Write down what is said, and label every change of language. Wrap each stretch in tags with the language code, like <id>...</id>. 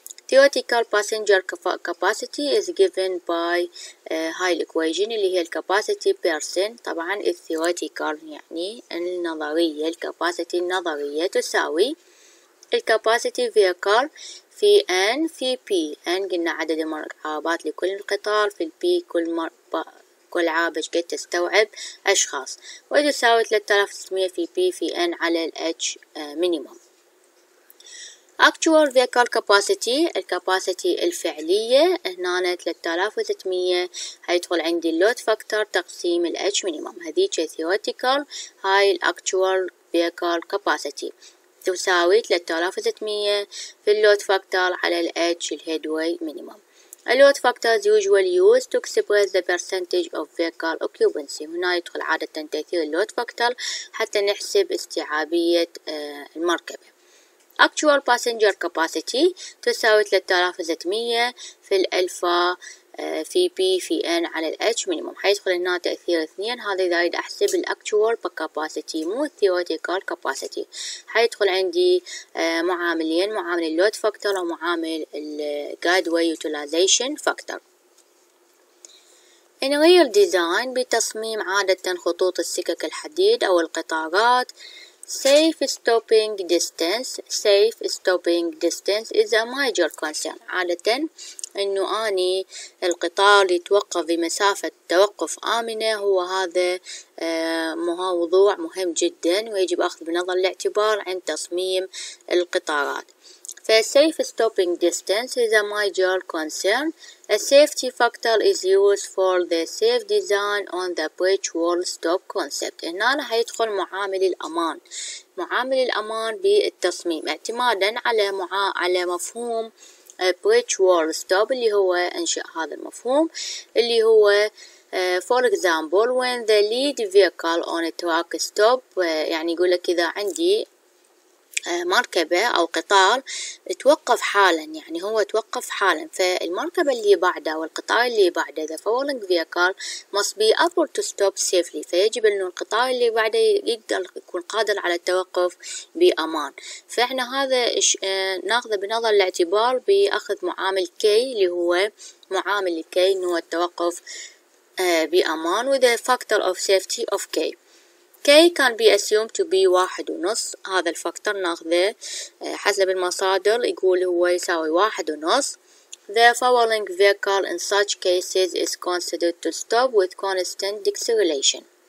<en>Theoretical passenger capacity is given by</en> <ar>هاي الإكويجين اللي هي</ar> <en>capacity person، طبعا theoretical يعني النظرية، capacity النظرية تساوي capacity vehicle في N في P.</en> <ar>N قلنا عدد المركبات لكل قطار، في P كل كل عربة قد تستوعب أشخاص، ويساوي 3600 في P في N على ال H minimum.</ar> <en>Actual vehicle capacity،</en> <ar>الكاباسيتي الفعلية هنا 3600 هيدخل عندي load factor تقسيم ال H minimum. هذيك theoretical، هاي ال</ar> <en>actual vehicle capacity</en> <ar>تساوي 3600 في load factor على ال H headway minimum.</ar> <en>Load factors usually used to express the percentage of vehicle occupancy.</en> <ar>هنا يدخل عادة تأثير load factor حتى نحسب استيعابية المركبة.</ar> <en>Actual passenger capacity</en> <ar>تساوي 3600 في الألفا في P في N على ال H minimum. حيدخل هنا تأثير 2، هذا إذا أريد أحسب ال actual capacity مو theoretical capacity. حيدخل عندي معاملين، معامل load factor ومعامل guideway utilization factor.</ar> <en>In real design</en> <ar>بتصميم عادة خطوط السكك الحديد أو القطارات،</ar> <en>safe stopping distance. safe stopping distance is a major concern.</en> <ar>عادة إنه أني القطار يتوقف بمسافة توقف آمنة هو هذا موضوع مهم جدا ويجب أخذ بنظر الاعتبار عند تصميم القطارات.</ar> <en>ف safe stopping distance is a major concern. A safety factor is used for the safe design on the bridge wall stop concept.</en> <ar>هنا راح يدخل معامل الأمان. معامل الأمان بالتصميم اعتمادا على على مفهوم bridge wall stop اللي هو انشأ هذا المفهوم اللي هو</ar> <en>for example when the lead vehicle on a track stop.</en> <ar>يعني يقول لك اذا عندي مركبة او قطار توقف حالا، يعني هو توقف حالا، فالمركبة اللي بعده والقطار اللي بعده</ar> <en>the following vehicle must be able to stop safely.</en> <ar>فيجب انه القطار اللي بعده يقدر يكون قادر على التوقف بامان. فاحنا هذا ناخذه بنظر الاعتبار باخذ معامل كي اللي هو معامل كي انه التوقف بامان</ar> <en>with a factor of safety of</en> <ar>كي.</ar> <en>K can be assumed to be 1.5.</en> <ar>هذا الفاكتور ناخذه حسب المصادر يقول هو يساوي 1.5.</ar> <en>The following vehicle in such cases is considered to stop with constant deceleration.</en>